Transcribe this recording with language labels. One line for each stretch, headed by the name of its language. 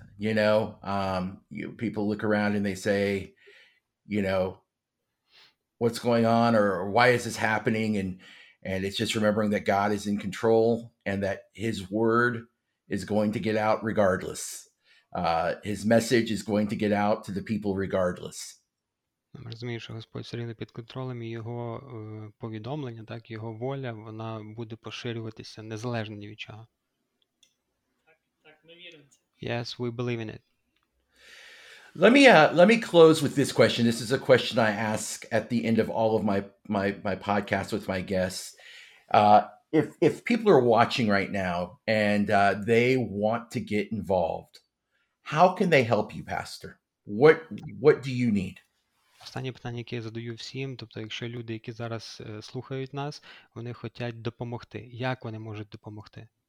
English: You know, people look around and they say, you know, what's going on, or why is this happening? And it's just remembering that God is in control and that His word is going to get out regardless. His message is going to get out to the people regardless.
Ukrainian: Ми розуміємо, що Господь все рівно під контролем, і Його повідомлення, так, Його воля, вона буде поширюватися незалежно ні від чого. Так, ми віримо це.
English: Yes, we believe in it. Let me close with this question. This is a question I ask at the end of all of my podcasts with my guests. If people are watching right now and they want to get involved, how can they help you, Pastor? What do you need?
Ukrainian: Останнє питання, яке я задаю всім, тобто якщо люди, які зараз слухають нас, вони хочуть допомогти, як вони можуть допомогти?